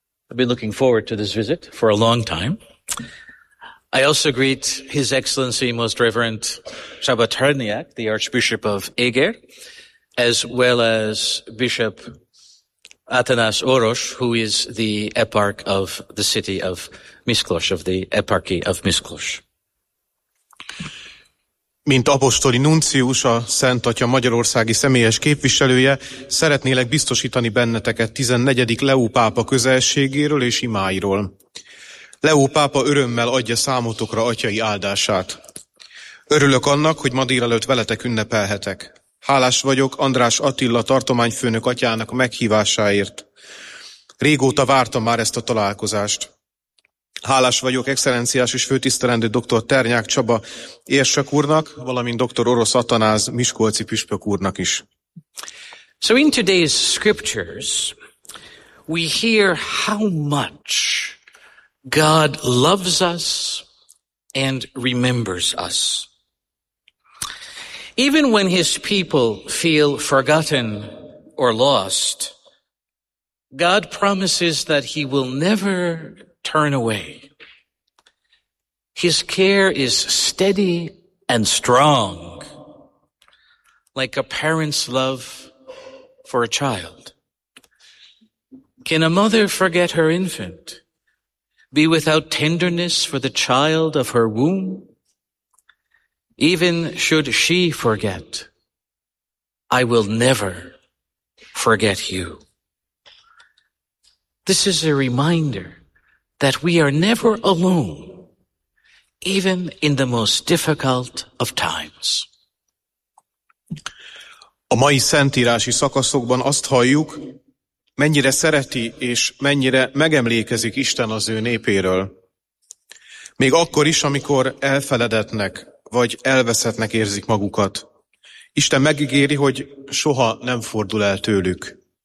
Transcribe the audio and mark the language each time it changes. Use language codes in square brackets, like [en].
[en] I've been looking forward to this visit for a long time. I also greet His Excellency Most Reverend Csabat Hrniak, the Archbishop of Eger, as well as Bishop Atanas Orosz, who is the Eparch of the city of Miskolc, of the Eparchy of Miskolc. [hu] Mint apostoli nuncius, a Szentatya magyarországi személyes képviselője, szeretnélek biztosítani benneteket 14. Leó pápa közelségéről és imáiról. Leó pápa örömmel adja számotokra atyai áldását. Örülök annak, hogy ma délelőtt veletek ünnepelhetek. Hálás vagyok András Attila tartományfőnök atyának meghívásáért. Régóta vártam már ezt a találkozást. Hálás vagyok excellenciás és főtisztelendő dr. Ternyák Csaba érsek úrnak, valamint dr. Orosz Atanáz miskolci püspök úrnak is. [en] So in today's scriptures we hear how much God loves us and remembers us. Even when his people feel forgotten or lost, God promises that he will never turn away. His care is steady and strong, like a parent's love for a child. Can a mother forget her infant, be without tenderness for the child of her womb? Even should she forget, I will never forget you. This is a reminder that we are never alone, even in the most difficult of times. [hu] A mai szentírási szakaszokban azt halljuk, mennyire szereti és mennyire megemlékezik Isten az ő népéről. Még akkor is, amikor elfeledetnek, vagy elveszettnek érzik magukat. Isten megígéri, hogy soha nem fordul el tőlük.